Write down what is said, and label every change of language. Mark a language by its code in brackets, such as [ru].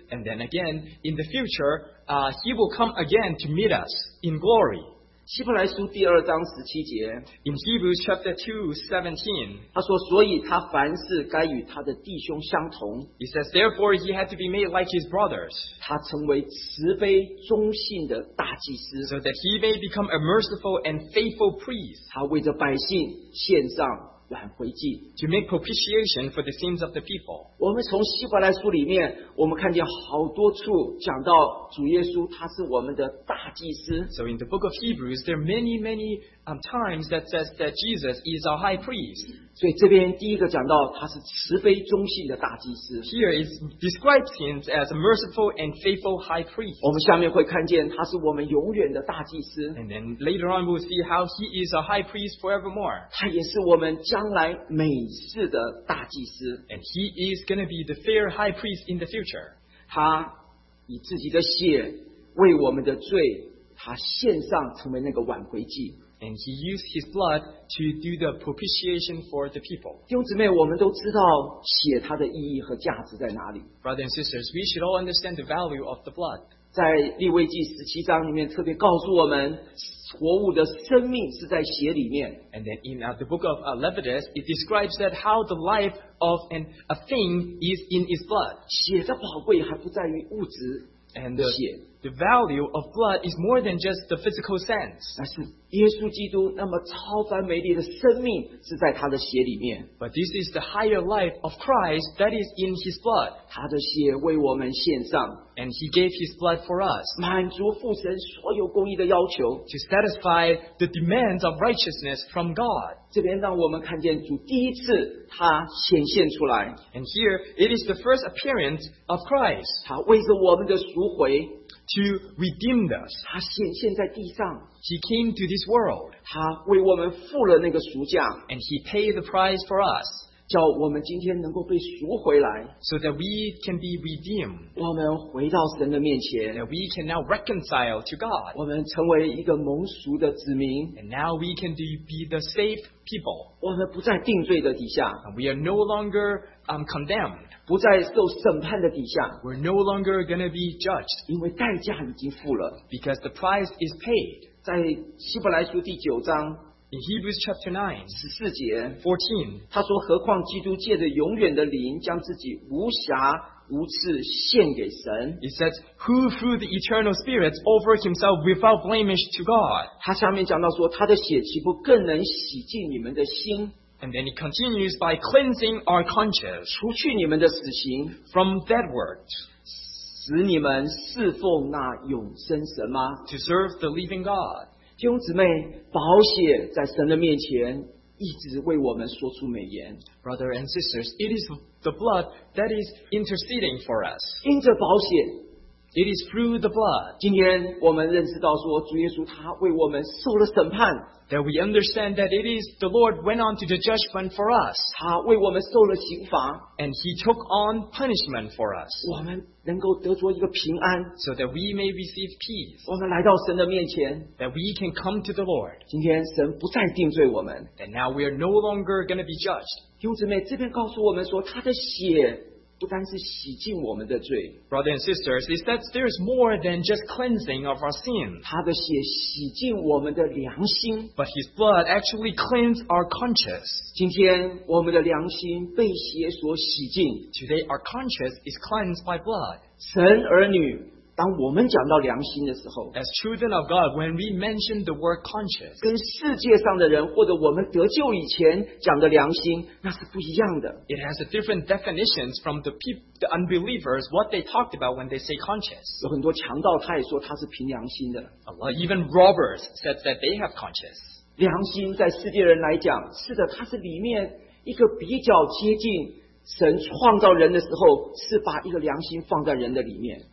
[en] And then again, in the future, he will come again to meet us in glory. [zh] 希伯来书第二章十七节, [en] in Hebrews chapter 2, 17, [zh] 他说, 所以他凡事该与他的弟兄相同, [en] he says, therefore he had to be made like his brothers, [zh] 他成为慈悲忠信的大祭司, [en] so that he may become a merciful and faithful priest, [zh] 他为着百姓献上, [en] to make propitiation for the sins of the people. [zh] 我们从希伯来书里面, 我们看见好多处讲到主耶稣他是我们的大祭司。 [en] So in the book of Hebrews, there are many times that says that Jesus is our high priest. [zh] 所以这边第一个讲到他是慈悲忠信的大祭司。 [en] Here it describes him as a merciful and faithful high priest. [zh] 我们下面会看见他是我们永远的大祭司。 [en] And then later on we'll see how he is a high priest forevermore. [zh] 他也是我们将来美事的大祭司。 [en] And he is going to be the fair high priest in the future. [zh] 他以自己的血为我们的罪，他献上成为那个挽回祭。 [en] And he used his blood to do the propitiation for the people. [zh] 弟兄姊妹, 我们都知道血它的意义和价值在哪里。 [en] Brothers and sisters, we should all understand the value of the blood. [zh] 在利未记17章里面特别告诉我们, 活物的生命是在血里面。 [en] And then in the book of Leviticus, it describes that how the life of a thing is in its blood. [zh] 血的宝贵还不在于物质。 [en] And the value of blood is more than just the physical sense. But this is the higher life of Christ that is in his blood. And he gave his blood for us to satisfy the demands of righteousness from God. And here, it is the first appearance of Christ to redeem us. He came to this world. And he paid the price for us. So that we can be redeemed. [zh] 我们回到神的面前, [en] that we can now reconcile to God. [zh] 我们成为一个蒙赎的子民, [en] and now we can be the saved people. [zh] 我们不在定罪的底下, [en] and we are no longer condemned. [zh] 不再受审判的底下, [en] we're no longer going to be judged. [zh] 因为代价已经付了, [en] because the price is paid. [zh] 在希伯来书第九章, [en] in Hebrews chapter 9, 14, [zh] 他说何况基督借着永远的灵将自己无瑕无刺献给神, [en] it says, who through the eternal spirits offered himself without blemish to God. [zh] 他下面讲到说, 他的血岂不更能洗净你们的心, [en] and then he continues by cleansing our conscience, [zh] 除去你们的死刑, [en] from dead works, [zh] 使你们侍奉那永生神吗? [en] To serve the living God. [zh] 弟兄姊妹, 保险在神的面前, 一直为我们说出美言。 [en] Brother and sisters, it is the blood that is interceding for us. [zh] 因着保险, [en] it is through the blood. [zh] 今天我们认识到说, 主耶稣他为我们受了审判。 [en] That we understand that it is the Lord went on to the judgment for us. [zh] 他为我们受了刑罚, [en] and he took on punishment for us. [zh] 我们能够得着一个平安, [en] so that we may receive peace. [zh] 我们来到神的面前, [en] that we can come to the Lord. [zh] 今天神不再定罪我们, [en] and now we are no longer going to be judged. [zh] 弟兄姊妹, 这边告诉我们说, 他的血, 不单是洗净我们的罪, [en] brothers and sisters, is that there is more than just cleansing of our sin. [zh] 他的血洗净我们的良心, [en] but his blood actually cleansed our conscience. [zh] 今天我们的良心被血所洗净, [en] today our conscience is cleansed by blood. [zh] 神儿女, 当我们讲到良心的时候 [en] ，As children of God, when we mention the word conscience, [zh] 跟世界上的人或者我们得救以前讲的良心，那是不一样的。 [en] It has a different definitions from the unbelievers what they talked about when they say conscience. [zh] 有很多强盗他也说他是凭良心的。 [en] A lot, even robbers said that they have conscience. [zh] 良心在世界人来讲，是的，它是里面一个比较接近。神创造人的时候是把一个良心放在人的里面。